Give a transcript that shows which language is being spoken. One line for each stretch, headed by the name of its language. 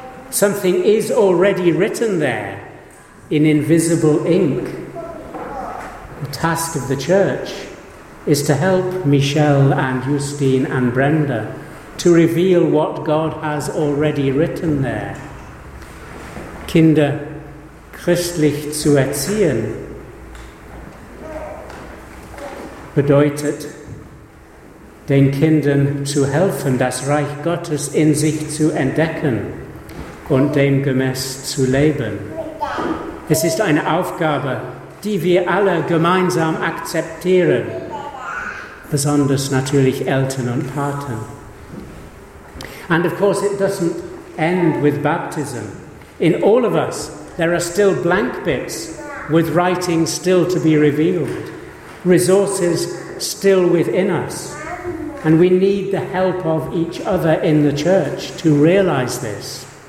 English: Something is already written there in invisible ink. The task of the church is to help Michelle and Justine and Brenda to reveal what God has already written there.
German: Kinder christlich zu erziehen, bedeutet, den Kindern zu helfen, das Reich Gottes in sich zu entdecken und demgemäß zu leben. Es ist eine Aufgabe, die wir alle gemeinsam akzeptieren, besonders natürlich Eltern und Paten.
English: And of course it doesn't end with baptism. In all of us, there are still blank bits with writing still to be revealed, resources still within us. And we need the help of each other in the church to realize this.